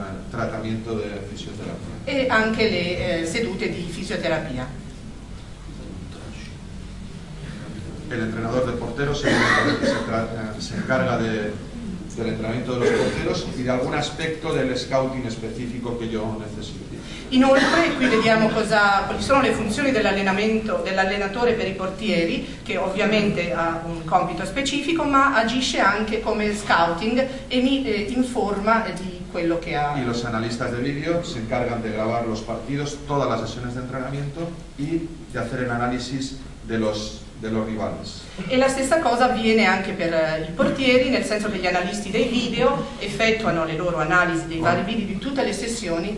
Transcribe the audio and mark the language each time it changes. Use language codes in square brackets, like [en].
[it] Trattamento di fisioterapia. E anche le sedute di fisioterapia. [es] El entrenador de porteros se encarga del entrenamiento de los porteros y de algún aspecto del scouting específico que yo necesite. [it] Inoltre, qui vediamo quali sono le funzioni dell'allenatore per i portieri, che ovviamente ha un compito specifico, ma agisce anche come scouting e mi informa di quello che ha. [es] Y los analistas de video se encargan de grabar los partidos, todas las sesiones de entrenamiento y de hacer el análisis de los rivales. [it] E la stessa cosa avviene anche per i portieri, nel senso che gli analisti dei video effettuano le loro analisi dei vari video di tutte le sessioni